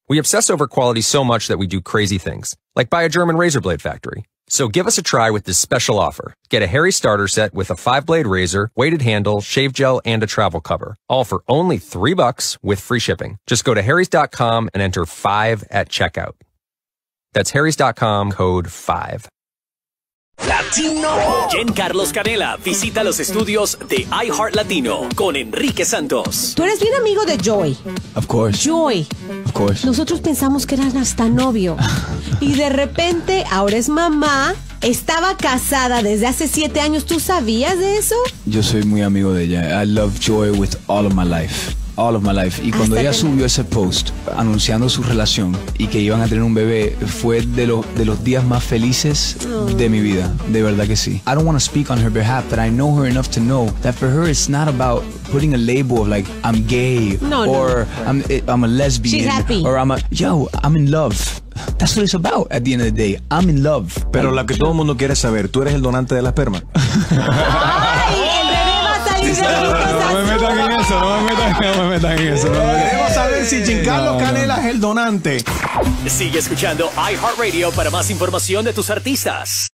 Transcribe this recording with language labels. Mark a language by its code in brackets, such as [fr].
[en] We obsess over quality so much that we do crazy things, like buy a German razor blade factory. So give us a try with this special offer. Get a Harry starter set with a 5-blade razor, weighted handle, shave gel, and a travel cover. All for only $3 with free shipping. Just go to harrys.com and enter 5 at checkout. That's harrys.com, code 5. Latino. [es] Jen Carlos Canela visita los estudios de iHeart Latino con Enrique Santos. Tú eres bien amigo de Joy. [en] Of course. Joy. Of course. [es] Nosotros pensamos que eran hasta novio. Y de repente ahora es mamá. Estaba casada desde hace 7 años. ¿Tú sabías de eso? Yo soy muy amigo de ella. [en] I love Joy with all of my life. All of my life. [es] Y cuando ella subió ese post anunciando su relación y que iban a tener un bebé, fue de los días más felices de mi vida. De verdad que sí. [en] I don't want to speak on her behalf, but I know her enough to know that for her it's not about putting a label of like I'm gay I'm a lesbian. She's happy. Or I'm in love. That's what it's about at the end of the day. I'm in love. [es] Pero la que todo el mundo quiere saber, ¿tú eres el donante de la esperma? ¡Ay! No me metan en eso. Queremos saber si Giancarlo Canela es el donante. Sigue escuchando iHeartRadio para más información de tus artistas.